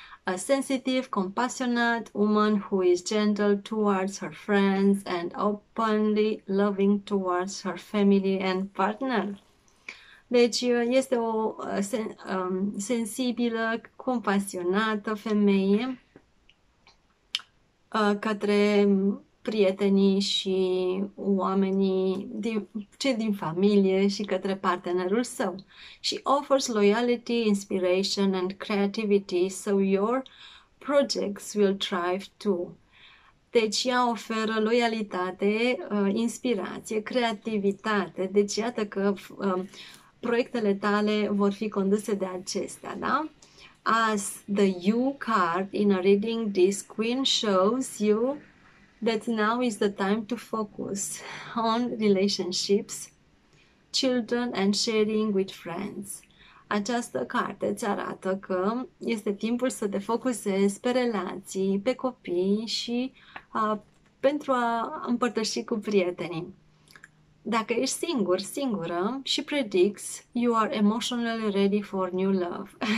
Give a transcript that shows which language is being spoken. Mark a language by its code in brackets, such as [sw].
[en] A sensitive, compassionate woman who is gentle towards her friends and openly loving towards her family and partner. [ro] Deci este o sensibilă, compasionată femeie către prietenii și oamenii cei din familie și către partenerul său. [en] She offers loyalty, inspiration and creativity so your projects will thrive too. [ro] Deci ea oferă loialitate, inspirație, creativitate. Deci iată că proiectele tale vor fi conduse de acestea, da? [en] As the you card in a reading this queen shows you that now is the time to focus on relationships, children and sharing with friends. [ro] Această carte îți arată că este timpul să te focusezi pe relații, pe copii și pentru a împărtăși cu prietenii. Dacă ești singur, singură și predicți, [en] you are emotionally ready for new love.